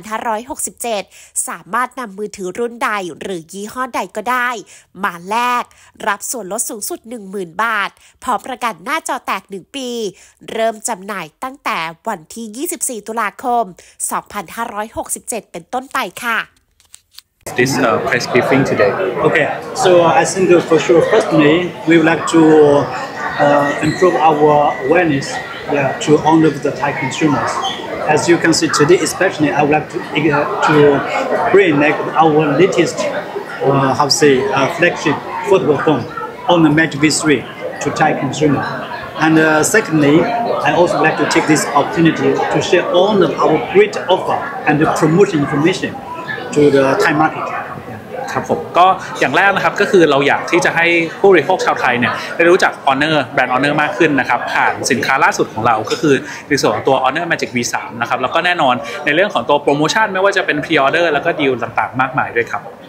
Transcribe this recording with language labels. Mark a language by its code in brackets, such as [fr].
[th] 2567สามารถนำมือถือรุ่นใดหรือยี่ห้อใดก็ได้มาแลกรับส่วนลดสูงสุด 10,000 บาทพร้อมประกันหน้าจอแตก1ปีเริ่มจำหน่ายตั้งแต่วันที่24ตุลาคม2567เป็นต้นไปค่ะ [en] This press briefing today. Okay, so I think for sure, firstly, we would like to improve our awareness to all of the Thai consumers. As you can see today, especially, I would like to bring our latest, flagship foldable phone on the Magic V3 to Thai consumers. And secondly, I also would like to take this opportunity to share all of our great offer and the promotion information. To the Thai market. [th] ครับผมก็อย่างแรกนะครับก็คือเราอยากที่จะให้ผู้บริโภคชาวไทยเนี่ยได้รู้จัก Honor แบรนด์ Honor มากขึ้นนะครับผ่านสินค้าล่าสุดของเราก็คือในส่วนของตัว Honor Magic V3 นะครับแล้วก็แน่นอนในเรื่องของตัวโปรโมชั่นไม่ว่าจะเป็น pre-order แล้วก็ดีลต่างๆมากมายด้วยครับ